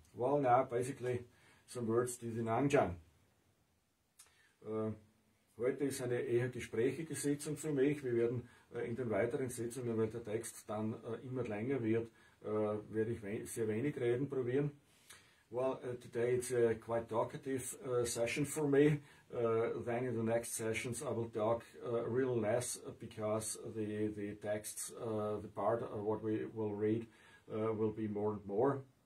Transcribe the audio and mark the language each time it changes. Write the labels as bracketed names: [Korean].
[English] Well, now basically some words to the Nangjang. [German] Heute ist eine eher gesprächige Sitzung für mich. Wir werden in den weiteren Sitzungen, weil der Text dann immer länger wird, werde ich sehr wenig reden probieren. [English] Well, today it's a quite talkative session for me. Then in the next sessions I will talk real less because the texts, the part of what we will read will be more and more.